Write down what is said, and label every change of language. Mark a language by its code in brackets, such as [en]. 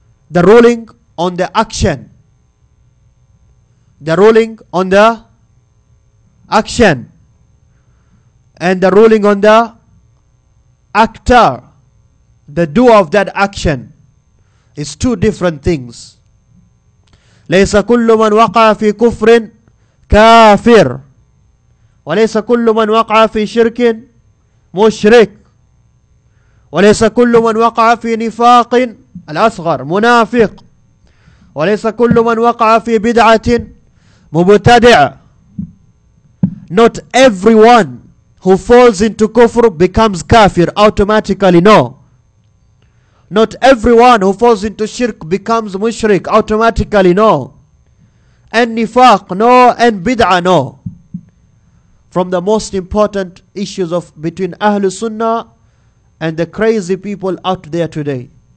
[en] The ruling on the action. The ruling on the action and the ruling on the actor, the doer of that action, is two different things. [ar] ليس كل من وقع في كفر كافر وليس كل من وقع في شرك مشرك وليس كل من وقع في نفاق الأصغر منافق وليس كل من وقع في بدعة مُبْتَدِعَ. [en] Not everyone who falls into kufr becomes kafir automatically, no. Not everyone who falls into shirk becomes mushrik automatically, no. And nifaq, no. And bid'ah, no. From the most important issues of between Ahlu Sunnah and the crazy people out there today.